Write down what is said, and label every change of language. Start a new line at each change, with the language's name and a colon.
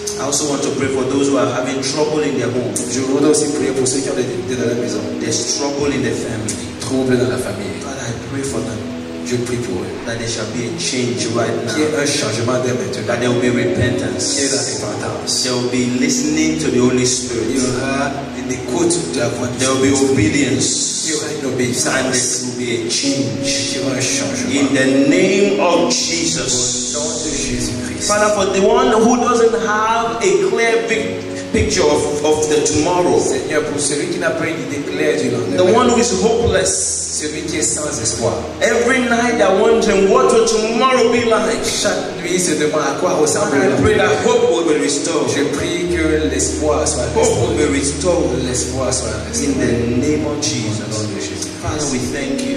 English: I also want to pray for those who are having trouble in their home.
French: Je voudrais aussi prier pour ceux qui ont des dans la maison.
English: There's trouble in the family.
French: Troubles dans la famille.
English: Father, I pray for them.
French: Je prie pour eux.
English: That there shall be a change right now.
French: Qu'il y ait un changement dès maintenant.
English: That there will be repentance.
French: Qu'il y ait la repentance.
English: There will be listening to the Holy Spirit.
French: Il y aura une écoute de la voix.
English: There will be obedience.
French: Il y aura une obéissance.
English: There will be a change.
French: Il y aura un changement.
English: In the name of Jesus.
French: Au nom de Jésus Christ.
English: Father, for the one who doesn't have a clear picture of the tomorrow.
French: Seigneur, pour celui qui n'a pas une idée claire du lendemain.
English: The one who is hopeless.
French: Celui qui est sans espoir.
English: Every night I wonder what will tomorrow be like.
French: Chaque nuit, se demande à quoi ressemble.
English: I pray that hope will be restored.
French: Je prie que l'espoir soit restauré.
English: Hope will be restored.
French: L'espoir soit restauré.
English: In the name of Jesus.
French: Au nom de Jésus.
English: Father, we thank you.